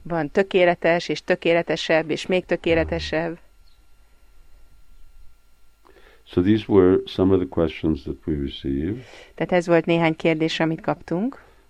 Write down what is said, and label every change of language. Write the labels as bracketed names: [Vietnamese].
[Hungarian] Van tökéletes, és tökéletesebb, és még tökéletesebb. [English] So these were some of the questions that we received. [Hungarian] Tehát ez volt néhány kérdés, amit kaptunk.